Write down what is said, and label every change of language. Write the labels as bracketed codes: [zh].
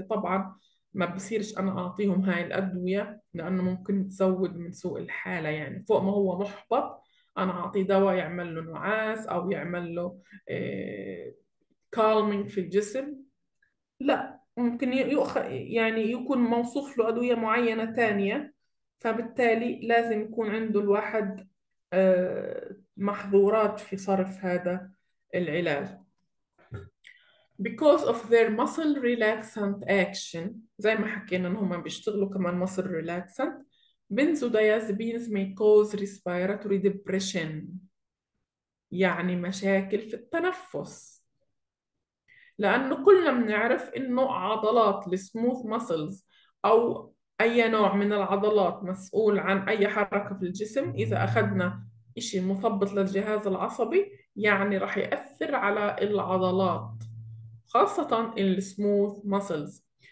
[ar] طبعا ما بصيرش أنا أعطيهم هاي الأدوية لأنه ممكن تزود من سوء الحالة، يعني فوق ما هو محبط أنا أعطيه دواء يعمل له نعاس أو يعمل له كالمينج في الجسم، لا ممكن يعني يكون موصوف له أدوية معينة تانية، فبالتالي لازم يكون عنده الواحد محظورات في صرف هذا العلاج. [en] Because of their muscle relaxant action، [ar] زي ما حكينا ان هم بيشتغلوا كمان [en] muscle relaxant، benzodiazepines may cause respiratory depression، [ar] يعني مشاكل في التنفس. لأنه كلنا بنعرف انه عضلات السموث muscles او اي نوع من العضلات مسؤول عن اي حركة في الجسم، اذا اخذنا إشي مثبط للجهاز العصبي يعني راح يأثر على العضلات، خاصة السموث ماسلز.